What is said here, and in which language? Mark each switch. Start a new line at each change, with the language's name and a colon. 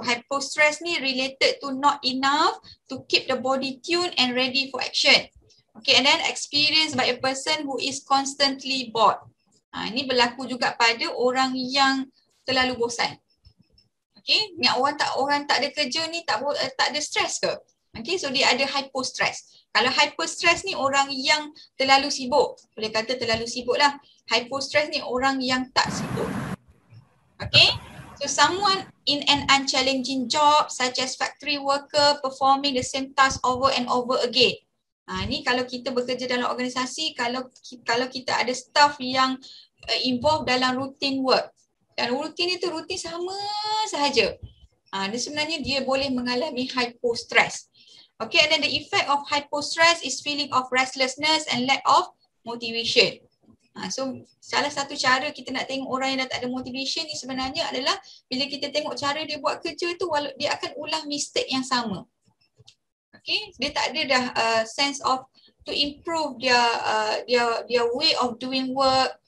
English: So hypostress ni related to not enough to keep the body tuned and ready for action. Okay, and then experienced by a person who is constantly bored.
Malay: Ini berlaku juga pada orang yang terlalu bosan. Okay, ni orang tak ada kerja ni tak ada stress ke? Okay, so dia ada hypostress. Kalau hypostress ni orang yang terlalu sibuk. Boleh kata terlalu sibuk lah. Hypostress ni orang yang tak sibuk.
English: Okay, so someone in an unchallenging job such as factory worker performing the same task over and over again.
Malay: Ni kalau kita bekerja dalam organisasi, kalau kita ada staff yang involved dalam routine work. Dan routine itu routine sama sahaja. Dia sebenarnya dia boleh mengalami hypostress.
English: Okay, and then the effect of hypostress is feeling of restlessness and lack of motivation.
Malay: So salah satu cara kita nak tengok orang yang dah tak ada motivation ni sebenarnya adalah bila kita tengok cara dia buat kerja tu, dia akan ulang mistake yang sama.
English: Okay,
Malay: dia tak ada dah
English: sense of to improve dia way of doing work.